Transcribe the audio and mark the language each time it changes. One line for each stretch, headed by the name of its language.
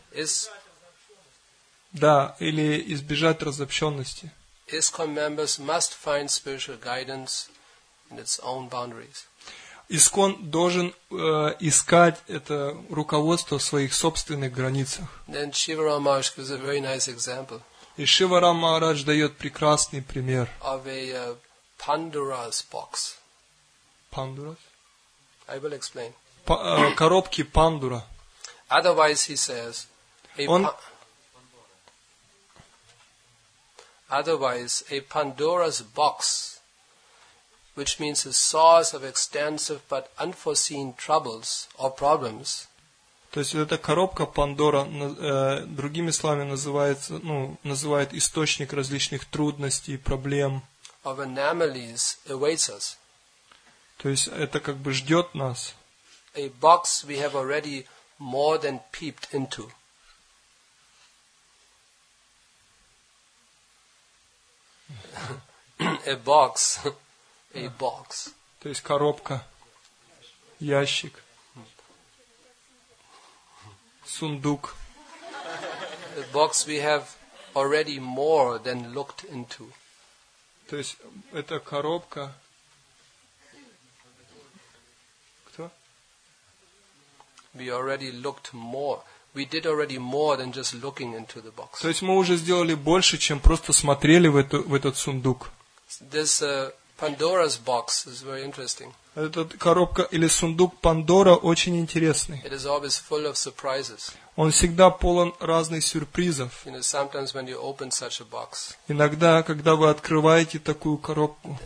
English: Is,
Russian: да, или избежать разобщенности.
English: ISKCON members must find spiritual guidance in its own boundaries.
Russian: ИСККОН должен искать это руководство в своих собственных границах.
English: Then Shivaram Maharaj gives a very nice example.
Russian: И Шиварам Махарадж дает прекрасный пример.
English: Of a Pandora's box. Pandora's? I will explain.
Russian: Коробки Пандора.
English: Otherwise, he says, otherwise, a Pandora's box, which means a source of extensive but unforeseen troubles or problems.
Russian: То есть эта коробка Пандора, другими словами, называется, ну, называет источник различных трудностей, проблем.
English: Of anomalies awaits us.
Russian: То есть это как бы ждет нас.
English: A box we have already more than peeped into. A box. A box.
Russian: То есть коробка. Ящик. Сундук.
English: A box we have already more than looked into.
Russian: То есть это коробка. Кто?
English: We already looked more. We did already more than just looking into the box.
Russian: То есть мы уже сделали больше, чем просто смотрели в этот сундук.
English: This Pandora's box is very interesting.
Russian: Эта коробка или сундук Пандора очень интересный.
English: It is always full of surprises.
Russian: Он всегда полон разных сюрпризов.
English: You know, sometimes when you open such a box.
Russian: Иногда, когда вы открываете такую коробку.